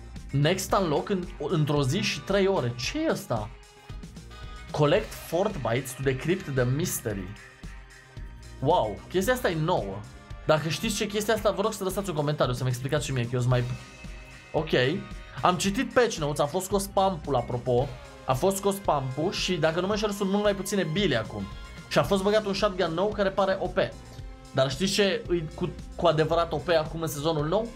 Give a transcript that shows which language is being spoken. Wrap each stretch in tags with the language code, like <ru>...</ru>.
<ro>Next unlock într-o zi și 3 ore. Ce e ăsta?</ro> <en>Collect 4 bytes to decrypt the mystery.</en> <ro>Wow, chestia asta e nouă. Dacă știți ce chestia asta, vă rog să lăsați un comentariu, să-mi explicați și mie, că eu mai... Ok, am citit patch notes, a fost scos pump-ul, apropo. A fost scos pump-ul și, dacă nu mă înșel, sunt mult mai puține bile acum. Și a fost băgat un shotgun nou care pare OP. Dar știți ce e cu adevărat OP acum în sezonul nou?</ro>